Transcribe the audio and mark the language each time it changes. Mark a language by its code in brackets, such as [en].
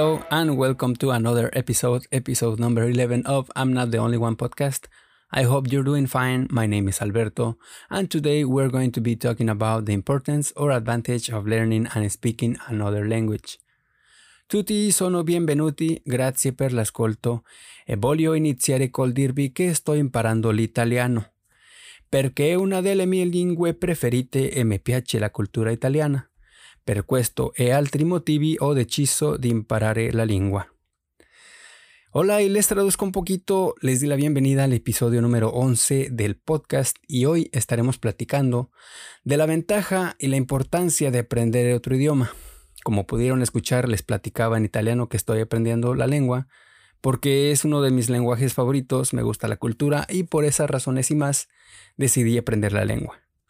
[en] and welcome to another episode, episode number 11 of I'm Not The Only One podcast. I hope you're doing fine. My name is Alberto, and today we're going to be talking about the importance or advantage of learning and speaking another language. [it] Tutti sono benvenuti, grazie per l'ascolto, e voglio iniziare col dirvi che sto imparando l'italiano, perché è una delle mie lingue preferite e mi piace la cultura italiana. Per questo e altri motivi ho deciso di imparare la lengua. [es] Hola y les traduzco un poquito, les di la bienvenida al episodio número 11 del podcast y hoy estaremos platicando de la ventaja y la importancia de aprender otro idioma. Como pudieron escuchar, les platicaba en italiano que estoy aprendiendo la lengua porque es uno de mis lenguajes favoritos, me gusta la cultura y por esas razones y más decidí aprender la lengua.